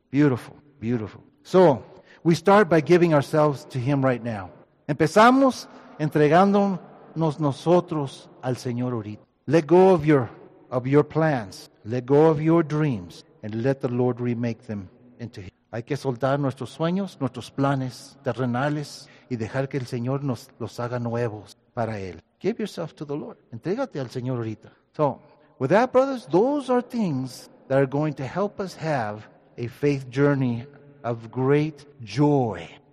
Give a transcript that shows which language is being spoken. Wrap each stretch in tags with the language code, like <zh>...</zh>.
<en>Beautiful, beautiful. So, we start by giving ourselves to Him right now.</en> <es>Empezamos entregándonos nosotros al Señor ahorita.</es> <en>Let go of your plans. Let go of your dreams. And let the Lord remake them into Him.</en> <es>Hay que soltar nuestros sueños, nuestros planes terrenales, y dejar que el Señor nos los haga nuevos para Él.</es> <en>Give yourself to the Lord.</en> <es>Entrégate al Señor ahorita.</es> <en>So, with that, brothers, those are things that are going to help us have a faith journey of great joy.</en>